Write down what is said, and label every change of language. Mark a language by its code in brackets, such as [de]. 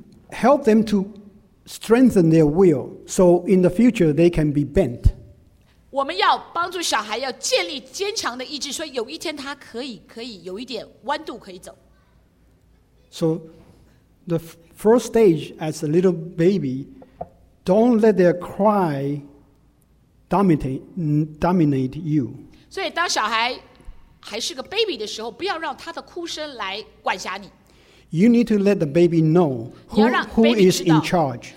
[en] Help them to strengthen their will, so in the future they can be bent. [zh] 我们要帮助小孩要建立坚强的意志，所以有一天他可以有一点弯度可以走。 [en] So the first stage as a little baby, don't let their cry dominate you. [zh] 所以当小孩还是个 baby 的时候，不要让他的哭声来管辖你。 [en] You need to let the baby know who is in charge.